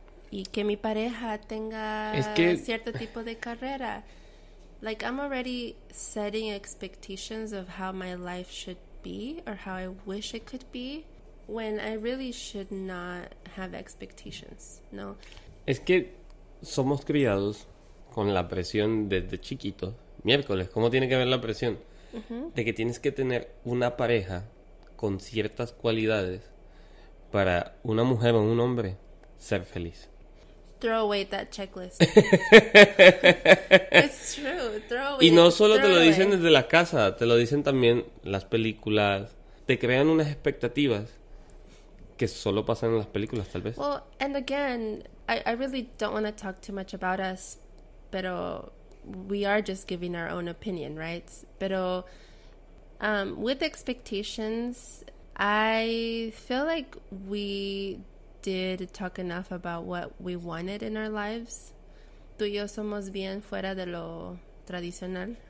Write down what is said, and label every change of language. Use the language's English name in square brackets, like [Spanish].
[Spanish] Y que mi pareja tenga cierto tipo de carrera. [English] Like, I'm already setting expectations of how my life should be or how I wish it could be when I really should not have expectations, no. [Spanish] Es que somos criados con la presión desde chiquito. Miércoles, ¿cómo tiene que ver la presión? Uh-huh. De que tienes que tener una pareja con ciertas cualidades para una mujer o un hombre ser feliz. [English] Throw away that checklist. It's true, throw away. [Spanish] Y no solo te lo dicen desde la casa, te lo dicen también las películas. Te crean unas expectativas que solo pasan en las películas, tal vez. [English] Well, and again, I really don't want to talk too much about us, [Spanish] pero [English] we are just giving our own opinion, right? [Spanish] Pero [English] with expectations, I feel like we did talk enough about what we wanted in our lives. [Spanish] Tú y yo somos bien fuera de lo tradicional,